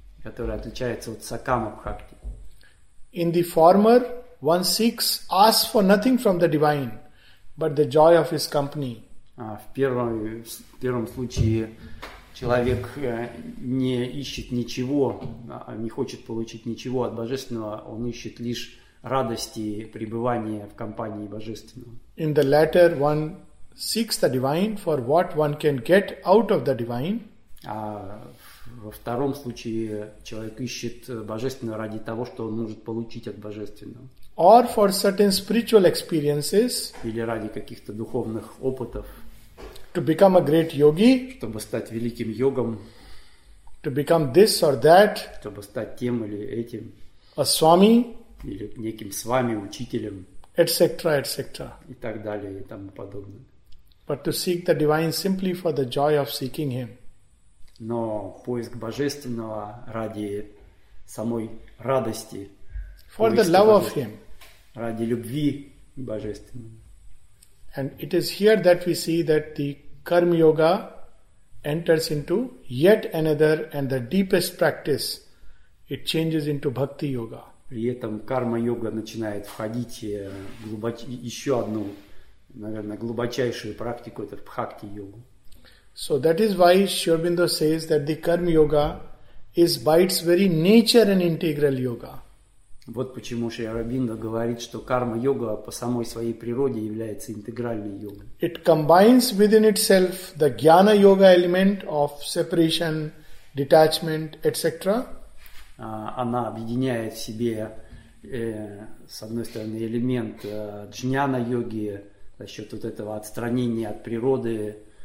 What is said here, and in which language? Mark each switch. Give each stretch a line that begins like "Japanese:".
Russian: Которая отличается от сакама бхакти.
English: In the former, one seeks, asks for nothing from the divine, but the joy of his company.
Russian: В первом случае человек не ищет ничего, не хочет получить ничего от божественного, он ищет лишь радости пребывания в компании божественного.
English: In the latter, one seeks the divine for what one can get out of the divine.
Russian: Во втором случае человек ищет божественное ради того, что он может получить от божественного.
English: Or for certain spiritual experiences.
Russian: Или ради каких-то духовных опытов.
English: To become a great yogi.
Russian: Чтобы стать великим йогом.
English: To become this or that.
Russian: Чтобы стать тем или этим.
English: A swami.
Russian: Или неким свами, учителем.
English: Etc.
Russian: И так далее, и тому подобное.
English: But to seek the divine simply for the joy of seeking him.
Russian: Но поиск божественного ради самой радости.
English: For the love of him.
Russian: Ради любви божественной.
English: And it is here that we see that the karma yoga enters into yet another and the deepest practice it changes into bhakti yoga.
Russian: При этом карма йога начинает входить еще одну, наверное, глубочайшую практику, это бхакти йогу.
English: So that is why Sri Aurobindo says that the karma yoga is by its very nature an integral yoga.
Russian: Вот почему Шри Аурабиндо говорит, что карма йога по самой своей природе является интегральной йогой.
English: It combines within itself the jnana yoga element of separation, detachment, etc.
Russian: Она объединяет в себе, с одной стороны, элемент джняна йоги за счет вот этого отстранения от природы.